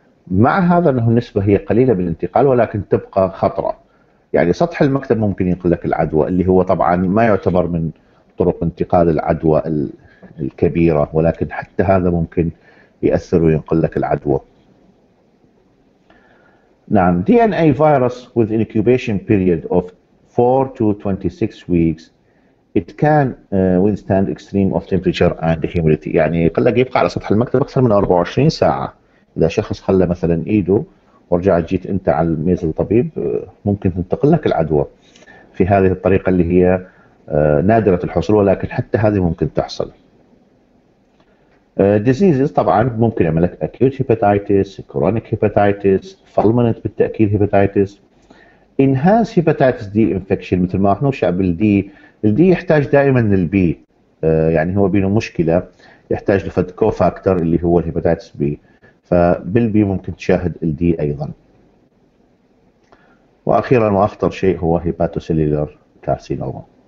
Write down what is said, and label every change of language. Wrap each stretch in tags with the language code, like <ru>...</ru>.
<ar>مع هذا انه النسبة هي قليلة بالانتقال ولكن تبقى خطرة، يعني سطح المكتب ممكن ينقل لك العدوى، اللي هو طبعا ما يعتبر من طرق انتقال العدوى الكبيرة، ولكن حتى هذا ممكن يأثر وينقل لك العدوى.</ar> <en>نعم DNA virus with incubation period of 4 to 26 weeks it can withstand extreme of temperature and humidity.</en> <ar>يعني يقل لك يبقى على سطح المكتب أكثر من 24 ساعة. إذا شخص خلى مثلا إيده ورجعت جيت انت على الميز الطبيب ممكن تنتقل لك العدوى في هذه الطريقة اللي هي نادرة الحصول، ولكن حتى هذه ممكن تحصل.</ar> <en>Diseases</en> <ar>طبعا ممكن يعمل لك</ar> <en>acute hepatitis, chronic hepatitis, fulminant بالتأكيد hepatitis, enhanced hepatitis D infection</en> <ar>مثل ما احنا وشعب الدي. الدي يحتاج دائما للبي، يعني هو بينه مشكلة يحتاج لفد كوفاكتر اللي هو الهيباتيتس بي، فبالبي ممكن تشاهد الدي ايضا. واخيرا واخطر شيء هو هيباتوسيلولار كارسينوما.</ar>